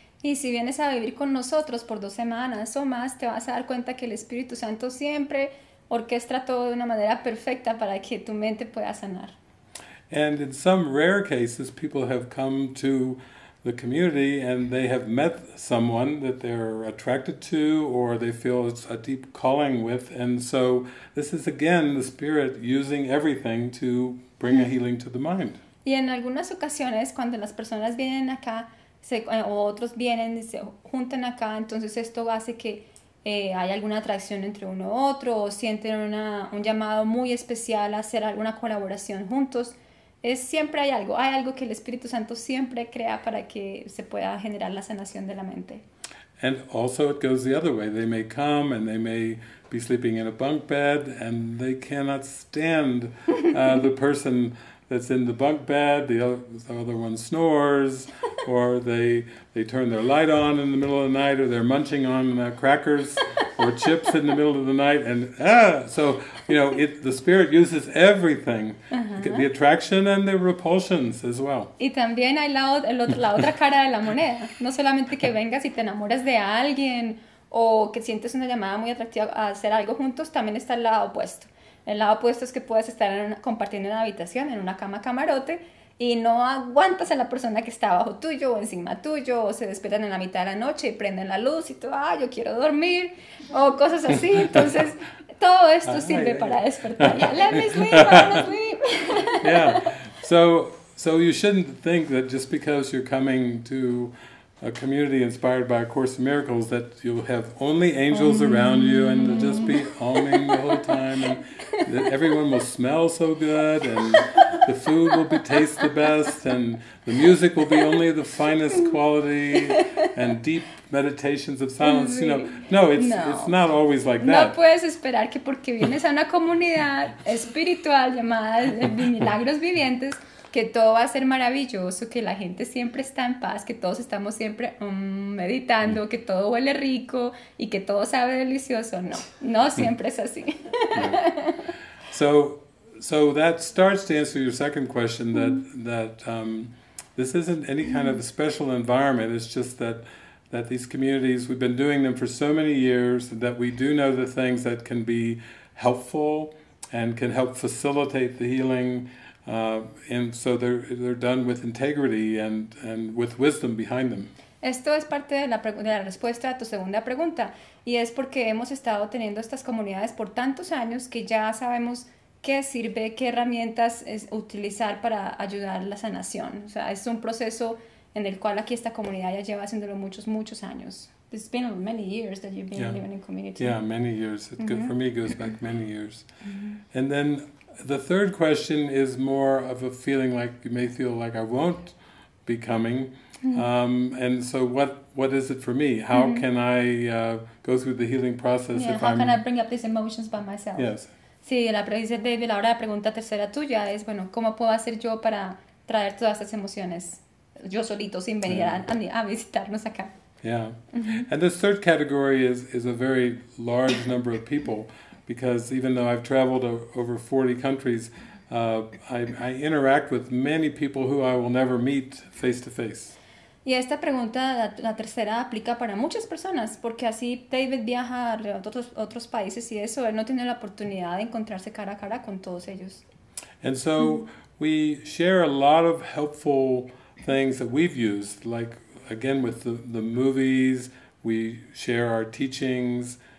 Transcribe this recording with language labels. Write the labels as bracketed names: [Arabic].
[Spanish] Y si vienes a vivir con nosotros por 2 semanas o más, te vas a dar cuenta que el Espíritu Santo siempre orquestra todo de una manera perfecta para que tu mente pueda sanar. [English] And in some rare cases, people have come to the community and they have met someone that they're attracted to or they feel it's a deep calling with. And so this is again the Spirit using everything to bring a healing to the mind. [Spanish] Y en algunas ocasiones, cuando las personas vienen acá, o otros vienen y se juntan acá, entonces esto hace que hay alguna atracción entre uno u otro, o sienten un llamado muy especial a hacer alguna colaboración juntos, es siempre hay algo que el Espíritu Santo siempre crea para que se pueda generar la sanación de la mente. [English] And also it goes the other way. They may come and they may be sleeping in a bunk bed and they cannot stand the person that's in the bunk bed, the other one snores, or they turn their light on in the middle of the night, or they're munching on crackers or chips in the middle of the night, and the spirit uses everything, the attraction and the repulsions as well. [Spanish] Y también hay la otra cara de la moneda, no solamente que vengas y te enamores de alguien o que sientes una llamada muy atractiva a hacer algo juntos, también está el lado opuesto. El lado opuesto es que puedes estar compartiendo una habitación en una cama camarote y no aguantas a la persona que está abajo tuyo o encima tuyo, o se despiertan en la mitad de la noche y prenden la luz y tú, yo quiero dormir, o cosas así. Entonces, todo esto sirve para despertar. [English] Let me sleep, I'm not sleep. Yeah, so you shouldn't think that just because you're coming to a community inspired by A Course in Miracles that you'll have only angels around you and they'll just be humming the whole time and that everyone will smell so good and the food will taste the best and the music will be only the finest quality and deep meditations of silence. It's not always like that. [Spanish] No puedes esperar que porque vienes a una comunidad espiritual llamada Milagros Vivientes que todo va a ser maravilloso, que la gente siempre está en paz, que todos estamos siempre meditando, que todo huele rico y que todo sabe delicioso. No siempre es así. [English] So that starts to answer your second question that this isn't any kind of a special environment. It's just that these communities, we've been doing them for so many years that we do know the things that can be helpful and can help facilitate the healing. And so they're done with integrity and with wisdom behind them. [Spanish] Esto es parte de la respuesta a tu segunda pregunta, y es porque hemos estado teniendo estas comunidades por tantos años que ya sabemos qué sirve, qué herramientas es utilizar para ayudar la sanación. O sea, es un proceso en el cual aquí esta comunidad ya lleva haciéndolo muchos años. [English] It's been many years that you've been living in community. Yeah, many years. For me, it goes back many years. And then the third question is more of a feeling like you may feel like I won't be coming. And so what is it for me? How can I go through the healing process if I'm... Yeah, how can I bring up these emotions by myself? Yes. [Spanish] Sí, la pregunta de David, ahora la pregunta tercera tuya es, bueno, ¿cómo puedo hacer yo para traer todas estas emociones yo solito sin venir a visitarnos acá? [English] Yeah. And this third category is a very large number of people. Because even though I've traveled over 40 countries, I interact with many people who I will never meet face to face. [Spanish] Y esta pregunta, la tercera, aplica para muchas personas, porque así David viaja a otros países y eso, él no tiene la oportunidad de encontrarse cara a cara con todos ellos. [English] And so we share a lot of helpful things that we've used, like again with the movies, we share our teachings.